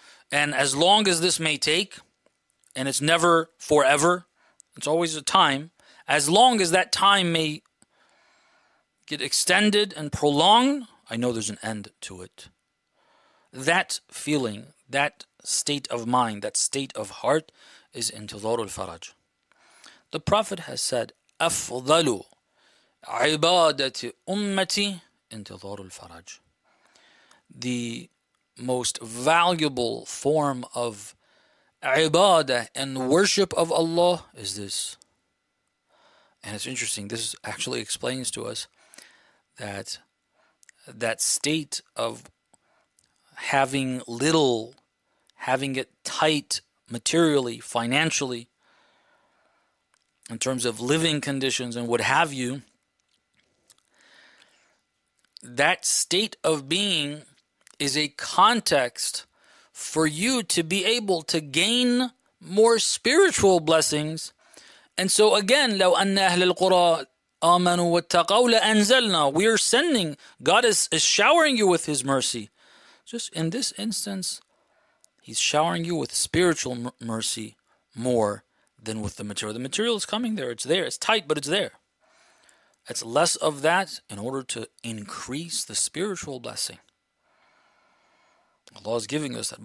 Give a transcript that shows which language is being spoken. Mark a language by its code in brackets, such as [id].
[en] And as long as this may take, and it's never forever, it's always a time, as long as that time may get extended and prolonged, I know there's an end to it. That feeling, that state of mind, that state of heart is intidhar al-faraj. The Prophet has said, [ar] أَفْضَلُ عِبَادَةِ أُمَّتِي انتظار الفرج. [en] The most valuable form of ibadah and worship of Allah is this. And it's interesting, this actually explains to us that that state of having little, having it tight materially, financially, in terms of living conditions and what have you, that state of being is a context for you to be able to gain more spiritual blessings. And so again, [ar] لو أن أهل القرى آمنوا واتقوا لأنزلنا. [en] We are sending, God is showering you with His mercy. Just in this instance, He's showering you with spiritual mercy more than with the material. The material is coming there, it's there, it's tight, but it's there. It's less of that in order to increase the spiritual blessing. Allah is giving us that.